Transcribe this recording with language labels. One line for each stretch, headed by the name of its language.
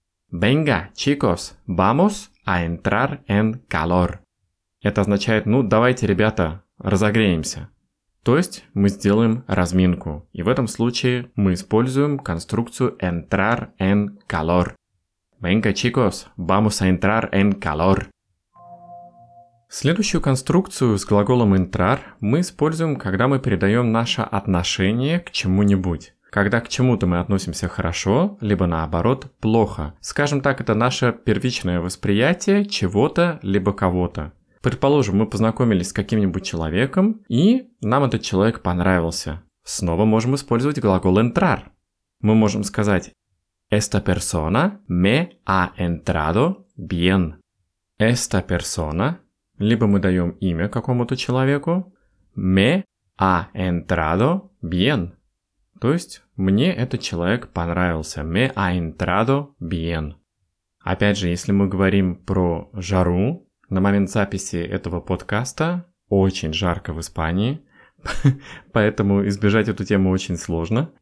Spanish: «Venga, chicos, vamos a entrar en calor».
Russian: Это означает, ну давайте, ребята, разогреемся. То есть мы сделаем разминку. И в этом случае мы используем конструкцию entrar en calor.
Spanish: Venga, chicos, vamos a entrar en calor.
Russian: Следующую конструкцию с глаголом entrar мы используем, когда мы передаем наше отношение к чему-нибудь. Когда к чему-то мы относимся хорошо, либо наоборот, плохо. Скажем так, это наше первичное восприятие чего-то, либо кого-то. Предположим, мы познакомились с каким-нибудь человеком, и нам этот человек понравился. Снова можем использовать глагол entrar.
Spanish: Мы можем сказать «Esta persona me ha entrado bien».
Russian: «Esta persona» — либо мы даем имя какому-то человеку.
Spanish: «Me ha entrado bien».
Russian: То есть «мне этот человек понравился».
Spanish: «Me ha entrado bien».
Russian: Опять же, если мы говорим про жару, на момент записи этого подкаста очень жарко в Испании, поэтому избежать эту тему очень сложно.